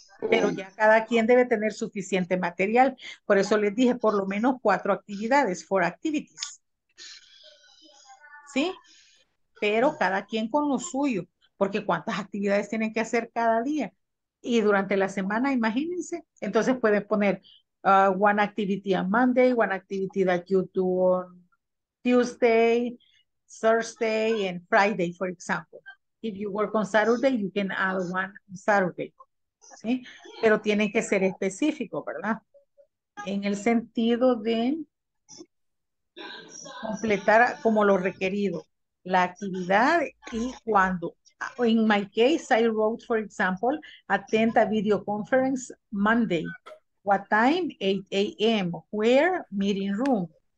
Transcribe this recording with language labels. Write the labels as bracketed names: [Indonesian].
[Spanish] Pero ya cada quien debe tener suficiente material. Por eso les dije por lo menos 4 actividades, [English] 4 activities. [Spanish] ¿Sí? Pero cada quien con lo suyo. Porque ¿cuántas actividades tienen que hacer cada día? y durante la semana, imagínense. Entonces puedes poner [English] one activity on Monday, one activity that you do on Tuesday, Thursday, and Friday, for example. If you work on Saturday, you can add one on Saturday. [Spanish] ¿Sí? Pero tiene que ser específico, ¿verdad? En el sentido de completar como lo requerido, la actividad y cuando. [English] In my case, I wrote, for example, attend a video conference Monday. What time? 8 a.m. Where? Meeting room.